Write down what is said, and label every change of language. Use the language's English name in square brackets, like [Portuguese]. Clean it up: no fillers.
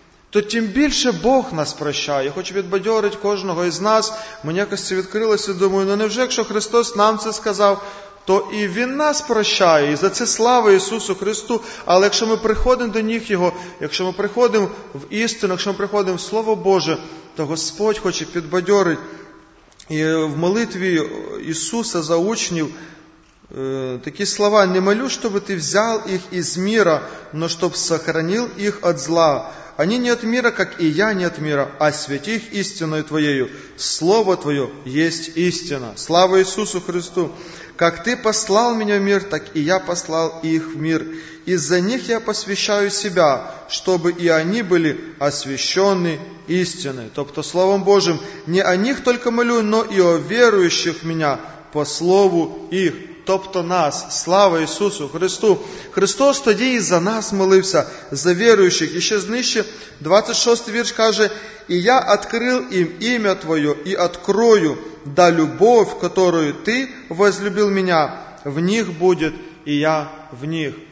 [Ukrainian] То тим більше Бог нас прощає. Хоче відбадьорить кожного із нас. Мені якось це відкрилося, думаю, ну невже, якщо Христос нам це сказав, то і Він нас прощає. І за це слава Ісусу Христу. Але якщо ми приходимо до Нього, якщо ми приходимо в істину, якщо ми приходимо в Слово Боже, то Господь хоче підбадьорити. І в молитві Ісуса за учнів такі слова: [Russian] «Не молю, чтобы ты взял их из мира, но чтоб сохранил их от зла. Они не от мира, как и я не от мира, а святи их истиной Твоею. Слово Твое есть истина». Слава Иисусу Христу! «Как Ты послал меня в мир, так и я послал их в мир. Из-за них я посвящаю себя, чтобы и они были освящены истиной». [Ukrainian] Тобто Словом Божим [Russian] не о них только молю, но и о верующих в меня по слову их. [Ukrainian] Тобто нас, слава Ісусу Христу. Христос тоді і за нас молився, за віруючих. І ще знижче, 26 вірш каже: «І я відкрив їм ім'я Твоє, і відкрою, да любов, которою Ти возлюбив мене, в них буде, і я в них».